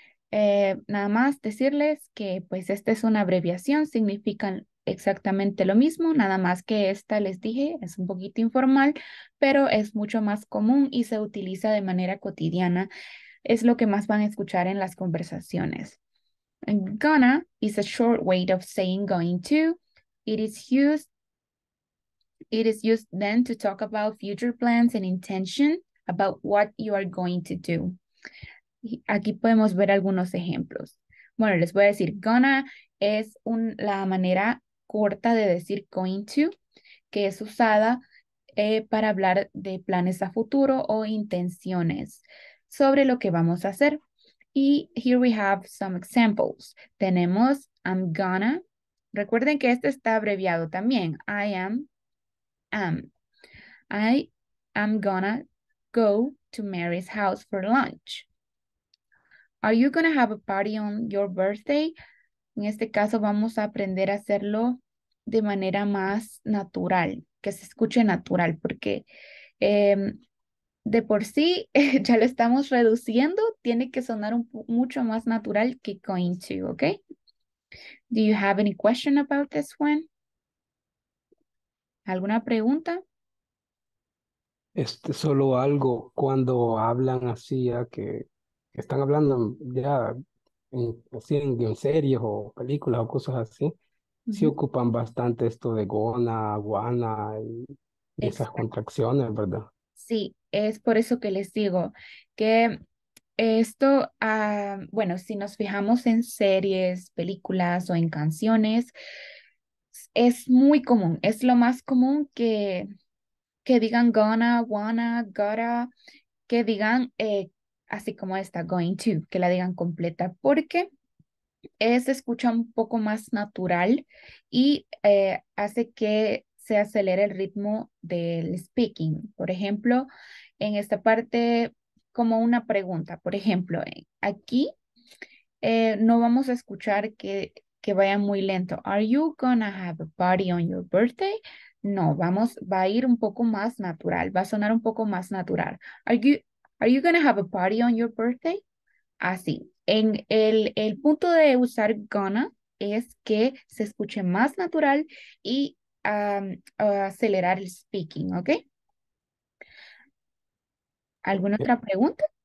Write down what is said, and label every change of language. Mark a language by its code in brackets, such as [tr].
[es] Nada más decirles que pues esta es una abreviación, significan exactamente lo mismo, nada más que esta les dije, es un poquito informal, pero es mucho más común y se utiliza de manera cotidiana. Es lo que más van a escuchar en las conversaciones. [en] Gonna is a short way of saying going to. It is used then to talk about future plans and intention about what you are going to do. [es] Aquí podemos ver algunos ejemplos. Bueno, les voy a decir, gonna es la manera corta de decir going to, que es usada para hablar de planes a futuro o intenciones sobre lo que vamos a hacer. [en] Y here we have some examples. [es] Tenemos [en] I'm gonna. [es] Recuerden que este está abreviado también. [en] I am. I am gonna go to Mary's house for lunch. Are you gonna have a party on your birthday? [es] En este caso vamos a aprender a hacerlo de manera más natural, que se escuche natural, porque de por sí ya lo estamos reduciendo, tiene que sonar mucho más natural que going to, ¿ok? [en] Do you have any question about this one? [es] ¿Alguna pregunta? Solo algo, cuando hablan así, ya que están hablando ya así en series o películas o cosas así, sí ocupan bastante esto de gona, guana y esas Exacto. contracciones, ¿verdad? Sí, es por eso que les digo que esto, bueno, si nos fijamos en series, películas o en canciones, es muy común, es lo más común que digan gonna, wanna, gotta, que digan así como esta, going to, que la digan completa, porque se escucha un poco más natural y hace que se acelere el ritmo del speaking. Por ejemplo, en esta parte, como una pregunta, por ejemplo, aquí no vamos a escuchar que vaya muy lento. [en] Are you gonna have a party on your birthday? [es] No, va a ir un poco más natural, va a sonar un poco más natural. [en] Are you gonna have a party on your birthday? [es] Así. En el punto de usar gonna es que se escuche más natural y acelerar el speaking, ¿ok? ¿Alguna otra pregunta?